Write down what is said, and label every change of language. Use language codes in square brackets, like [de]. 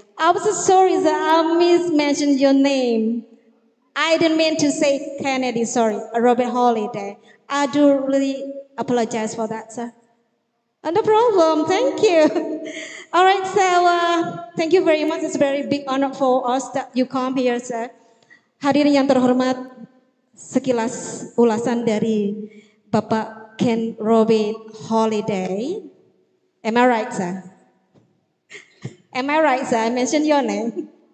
[en] I'm so sorry that I mismentioned your name. I didn't mean to say Kennedy, sorry, Robert Holiday. I do really apologize for that, sir. No problem, thank you. All right, so thank you very much. It's a very big honor for us that you come here, sir. [id] Hadirin yang terhormat, sekilas ulasan dari Bapak Ken Robin Holiday. [en] Am I right, sir? Am I right, sir? I mentioned your name.